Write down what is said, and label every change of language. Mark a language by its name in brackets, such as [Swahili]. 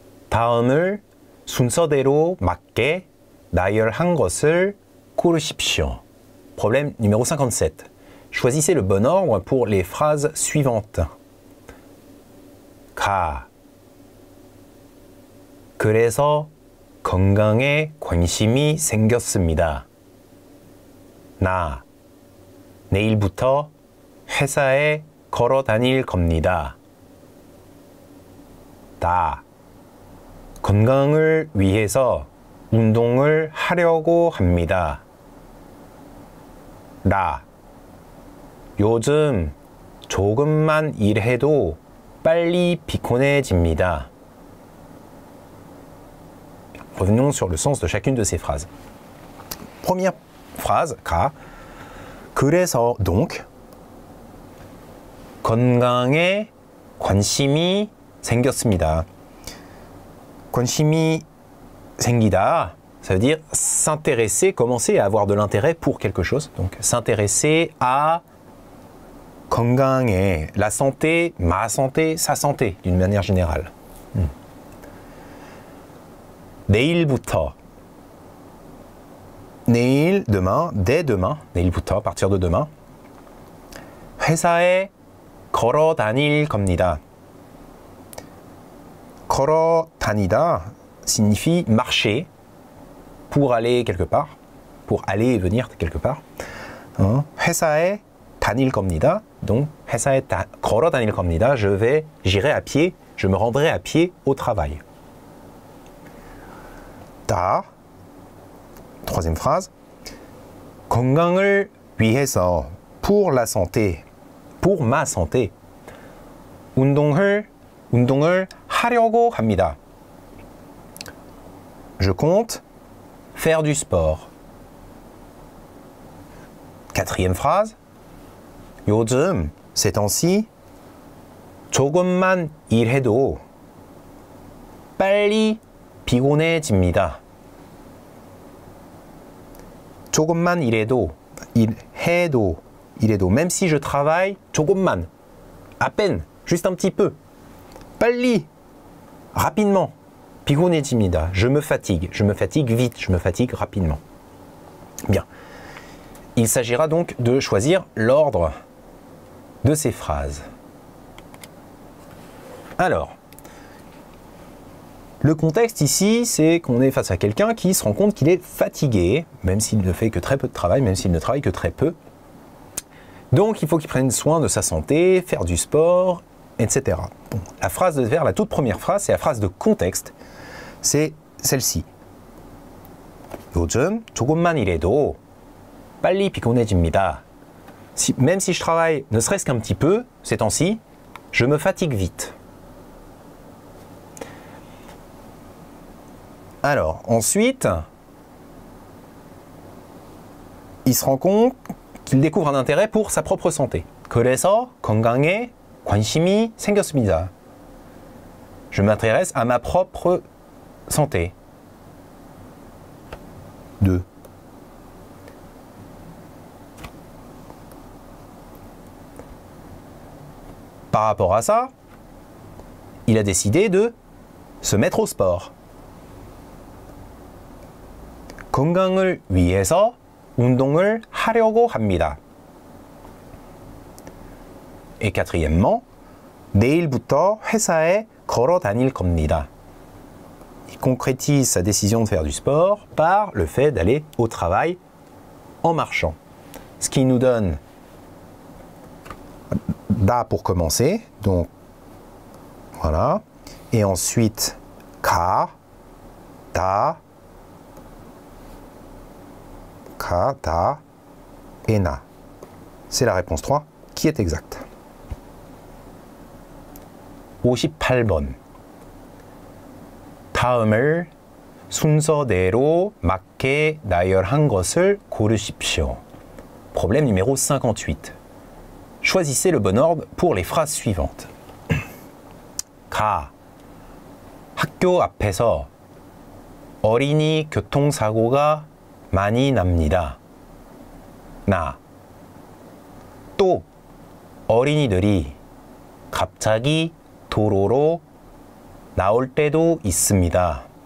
[Korean] 다음을 순서대로 맞게 나열한 것을 고르십시오. [French] Problème numéro 57. Choisissez le bon ordre pour les phrases suivantes. [Korean] 가. 그래서 건강에 관심이 생겼습니다. 나. 내일부터 회사에 걸어 다닐 겁니다. 다. 건강을 위해서 운동을 하려고 합니다. 라 요즘 조금만 일해도 빨리 피곤해집니다. [French] Revenons sur le sens de chacune de ces phrases. Première phrase, ka. [Korean] 그래서 [French] donc [Korean] 건강에 관심이 생겼습니다. 관심이 생기다. [French] Ça veut dire s'intéresser, commencer à avoir de l'intérêt pour quelque chose. Donc s'intéresser à [Korean] 건강에, [French] la santé, ma santé, sa santé, d'une manière générale. [Korean] 내일부터. 내일, [French] demain, dès demain, [Korean] 내일부터, [French] à partir de demain. [Korean] 회사에 걸어 다닐 겁니다. 걸어 다니다 [French] signifie marcher pour aller quelque part, pour aller et venir quelque part. [Korean] 회사에 다닐 겁니다. [French] Donc, [Korean] 회사에 걸어 다닐 겁니다. [French] Je vais, j'irai à pied, je me rendrai à pied au travail. 다, troisième phrase, [Korean] 건강을 위해서, [French] pour la santé, pour ma santé, [Korean] 운동을 하려고 합니다. [French] Je compte faire du sport. Quatrième phrase, [Korean] 요즘, [French] ces temps-ci, [Korean] 조금만 일해도, 빨리 피곤해집니다. 조금만 일해도, 일해도, 일해도, [French] même si je travaille, [Korean] 조금만, [French] à peine, juste un petit peu, [Korean] 빨리, [French] rapidement, [Korean] 피곤해집니다. [French] Je me fatigue vite, je me fatigue rapidement. Bien. Il s'agira donc de choisir l'ordre de ces phrases. Alors, le contexte ici, c'est qu'on est face à quelqu'un qui se rend compte qu'il est fatigué, même s'il ne fait que très peu de travail, même s'il ne travaille que très peu. Donc, il faut qu'il prenne soin de sa santé, faire du sport, etc. Bon, la phrase de verre, la toute première phrase, c'est la phrase de contexte, c'est celle-ci. [Korean] 요즘 조금만 일해도 빨리 피곤해집니다. [French] Même si je travaille ne serait-ce qu'un petit peu, ces temps-ci, je me fatigue vite. Alors, ensuite, il se rend compte qu'il découvre un intérêt pour sa propre santé. [Korean] 그래서 건강에 관심이 생겼습니다. [French] Je m'intéresse à ma propre santé. 2. Par rapport à ça, il a décidé de se mettre au sport. [Korean] 건강을 위해서 운동을 하려고 합니다. [French] Et quatrièmement, [Korean] 내일부터 회사에 걸어 다닐 겁니다. [French] Il concrétise sa décision de faire du sport par le fait d'aller au travail en marchant. Ce qui nous donne da pour commencer, donc voilà, et ensuite ka, da, ka, da, et na. C'est la réponse 3 qui est exacte. [Korean] 58번. 다음을 순서대로 맞게 나열한 것을 고르십시오. [French] Problème numéro 58. Choisissez le bon ordre pour les phrases suivantes. [Korean] 가. 학교 앞에서 어린이 교통사고가 많이 납니다. 나. 또 어린이들이 갑자기 도로로 나올 때도 있습니다.